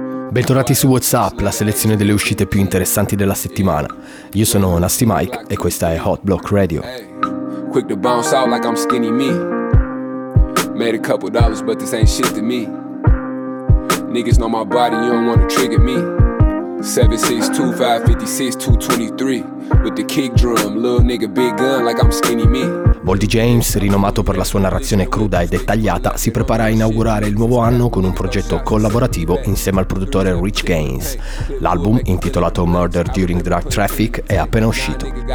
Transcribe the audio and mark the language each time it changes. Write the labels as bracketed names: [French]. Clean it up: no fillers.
[Italian] Bentornati su WhatsApp, la selezione delle uscite più interessanti della settimana. Io sono Nasty Mike e questa è Hot Block Radio. [English] Hey, quick to bounce out like I'm skinny me. Made a couple dollars, but this ain't shit to me. Niggas know my body, you don't wanna trigger me. 7625562223 with the kick drum, little nigga big gun like I'm skinny me. [Italian] Boldy James, rinomato per la sua narrazione cruda e dettagliata, si prepara a inaugurare il nuovo anno con un progetto collaborativo insieme al produttore Rich Gaines. L'album, intitolato Murder During Drug Traffic, è appena uscito.